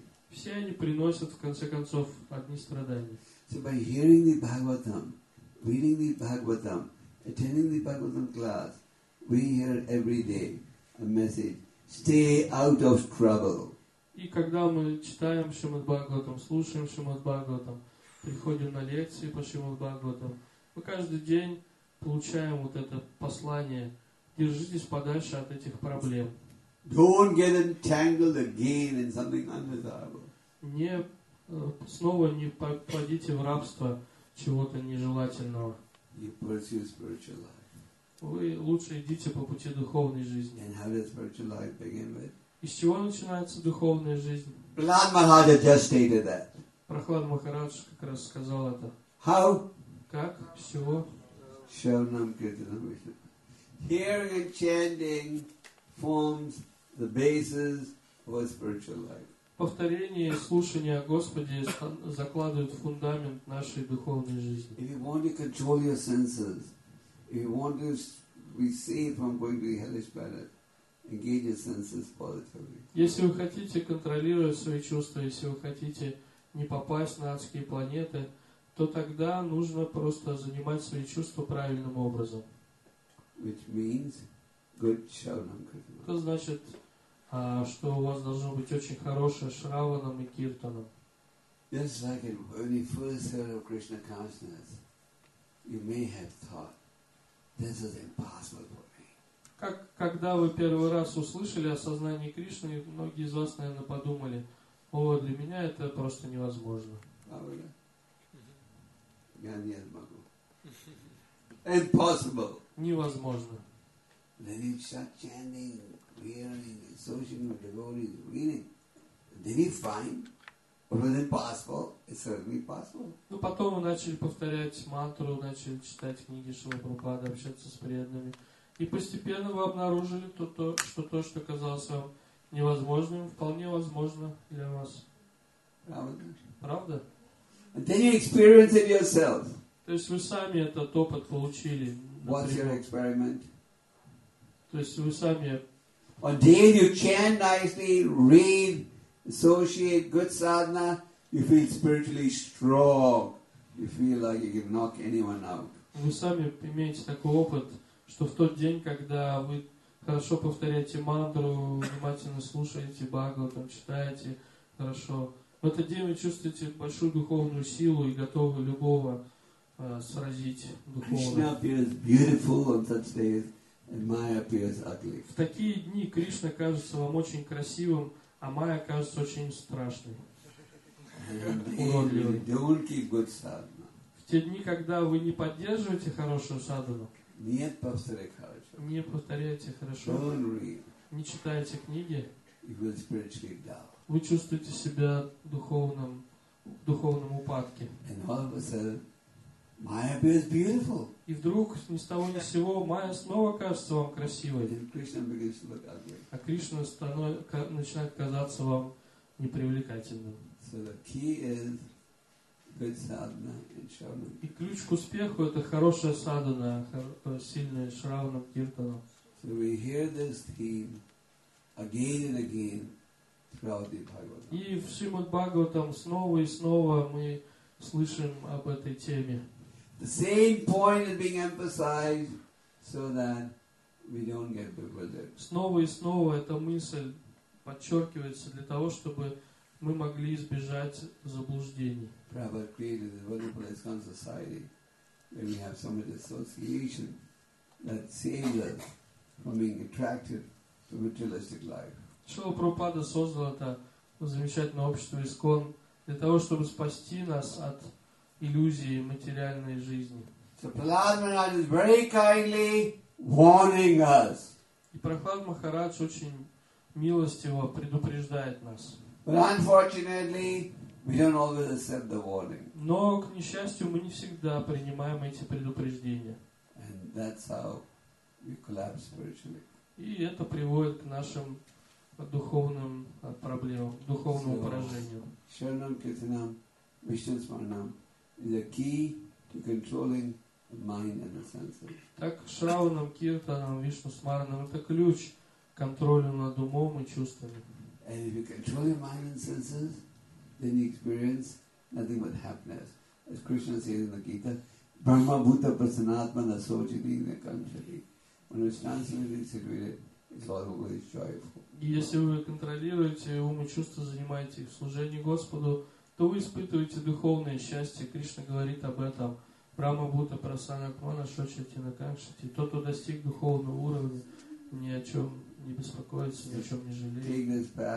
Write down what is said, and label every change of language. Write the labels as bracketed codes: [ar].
[ru] Все они приносят в конце концов одни страдания. [en] So by hearing the Bhagavatam, reading the Bhagavatam, attending the Bhagavatam class, we hear every day a message, stay out of trouble. [ru] И когда мы читаем Шримад Бхагаватам, слушаем Шримад Бхагаватам, приходим на лекции по Шримад Бхагаватам, мы каждый день получаем вот это послание: держитесь подальше от этих проблем. [en] Don't get entangled again in something undesirable. [ru] Не снова не попадите в рабство чего-то нежелательного. [en] You pursue spiritual life. [ru] Вы лучше идите по пути духовной жизни. [en] And how does spiritual life begin with? [ru] И с чего начинается духовная жизнь? [en] Prahlad Maharaj just stated that. [ru] Прохлад Махарадж как раз сказал это. [en] How? [ru] Как? С чего? [sa] Шравнам киртанам вишна. [en] Hearing and chanting forms the basis for spiritual life. [ru] Повторение и слушание о Господе закладывают фундамент нашей духовной жизни. [en] If you want to control your senses, if you want to be safe from going to hellish planet, engage your senses positively. [ru] Если вы хотите контролировать свои чувства, если вы хотите не попасть на адские планеты, то тогда нужно просто занимать свои чувства правильным образом. [en] Which means good shravanam kirtanam. [ru] Это значит, что у вас должно быть очень хорошее шраванам и киртанам. [en] Just like when you first heard of Krishna consciousness, you may have thought, this is impossible for me. [ru] Как когда вы первый раз услышали о сознании Кришны, многие из вас, наверное, подумали: о, для меня это просто невозможно. Я не смогу. [en] Impossible. [ru] Невозможно. [en] Then you start chanting, hearing, associating with devotees, reading. Did you find? Or was it possible? It's certainly possible. [ru] Ну потом мы начали повторять мантру, начали читать книги Шрилы Прабхупады, общаться с преданными, и постепенно вы обнаружили то, что казалось вам невозможным, вполне возможно для вас. Правда? Правда? [en] And then you experience it yourself. [ru] То есть вы сами этот опыт получили. [en] What's your experiment? [ru] То есть вы сами. [en] On day you chant nicely, read, associate good sadhana, you feel spiritually strong. You feel like you can knock anyone out. [ru] Вы сами имеете такой опыт, что в тот день, когда вы хорошо повторяете мантру, внимательно слушаете Бхагаватам, читаете хорошо, в этот день вы чувствуете большую духовную силу и готовы любого сразить духовно. [en] Krishna appears beautiful on such days, and Maya appears ugly. [ru] В такие дни Кришна кажется вам очень красивым, а Майя кажется очень страшной. Уродливым. В те дни, когда вы не поддерживаете хорошую садхану, нет, повторяй хорошо. Не повторяйте хорошо. [en] Don't read. [ru] Не читайте книги. [en] You will spiritually dull. [ru] Вы чувствуете себя в духовном упадке. [en] And all of a sudden, Maya appears beautiful. [ru] И вдруг ни с того ни с сего Майя снова кажется вам красивой. [en] And Krishna begins to look ugly. [ru] А Кришна начинает казаться вам непривлекательным. [en] So the key is good sadhana and shravanam. [ru] И ключ к успеху – это хорошая садхана, сильная шравана, киртана. [en] So we hear this theme again and again throughout the Bhagavatam. [ru] И в Шримад Бхагаватам снова и снова мы слышим об этой теме. [en] The same point is being emphasized so that we don't get bewildered. [ru] Снова и снова эта мысль подчеркивается для того, чтобы мы могли избежать заблуждений. [en] Prabhupada created a wonderful ISKCON society where we have so much association that saves us from being attracted to materialistic life. [ru] Шрила Прабхупада создал это замечательное общество ISKCON для того, чтобы спасти нас от иллюзии материальной жизни. [en] So Prahlad Maharaj is very kindly warning us. [ru] И Прохлад Махарадж очень милостиво предупреждает нас. [en] But unfortunately, we don't always accept the warning. [ru] Но, к несчастью, мы не всегда принимаем эти предупреждения. [en] And that's how we collapse spiritually. [ru] И это приводит к нашим духовным проблемам, духовному поражению. [sa] Шарнам киртанам, Вишну смаранам. [en] Is the key to controlling the mind and the senses. [ru] Так [sa] шраванам, киртанам, вишну смаранам [ru] — это ключ к контролю над умом и чувствами. [en] And if you control your mind and senses, then you experience nothing but happiness. As Krishna says in the Gita, [sa] Brahma Bhuta Prasanatmana Sochini Nakanchari. [en] When it's translated and situated, it's always joyful. [ru] И если вы контролируете ум и чувства, занимаете их в служении Господу, то вы испытываете духовное счастье. Кришна говорит об этом. [sa] Брама Бута Прасана Кмана Шочати Накакшати. [ru] Тот, кто достиг духовного уровня, ни о чем не беспокоится, ни о чем не жалеет.